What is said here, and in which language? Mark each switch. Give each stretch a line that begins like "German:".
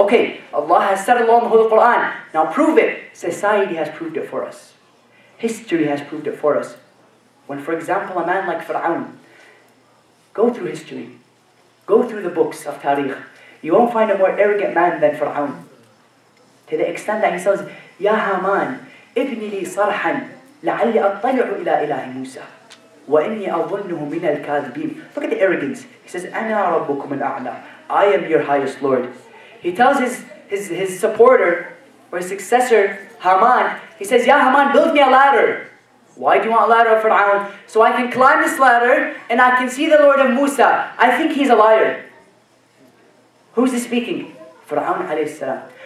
English: Okay, Allah has said a law in the Holy Quran. Now prove it. Society has proved it for us. History has proved it for us. When, for example, a man like Fir'aun, go through history, go through the books of tariq, you won't find a more arrogant man than Fir'aun. To the extent that he says,
Arabic: Ya Haman, ابني لي صرحا لعلي أطلع إلى إله موسى وإني أظنه من الكاذبين.
English: Look at the arrogance. He says,
Arabic: أنا ربكم الأعلى.
English: I am your highest lord. He tells his supporter or his successor, Haman, he says, Ya Haman, build me a ladder. Why do you want a ladder of Fir'aun? So I can climb this ladder and I can see the lord of Musa. I think he's a liar. Who's he speaking? Fir'aun alayhi salam.